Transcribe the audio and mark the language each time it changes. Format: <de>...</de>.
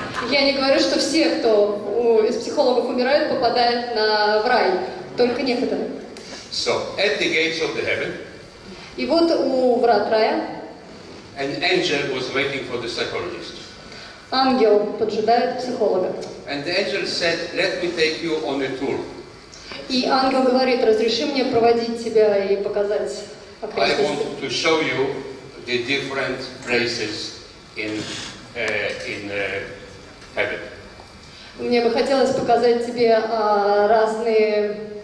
<ru>Я не говорю, что все, кто из психологов умирают, попадают в рай. Только некоторые.</ru> <en>So, at the gates of the heaven,</en> <ru>и вот у врат рая,</ru> <en>an angel was waiting for the psychologist.</en> <ru>Ангел поджидает психолога.</ru> <en>And the angel said, let me take you on a tour.</en> <ru>И ангел говорит, разреши мне проводить тебя и показать окрестности.</ru> <en>I want to show you the different places in heaven.</en> <ru>Мне бы хотелось показать тебе разные</ru>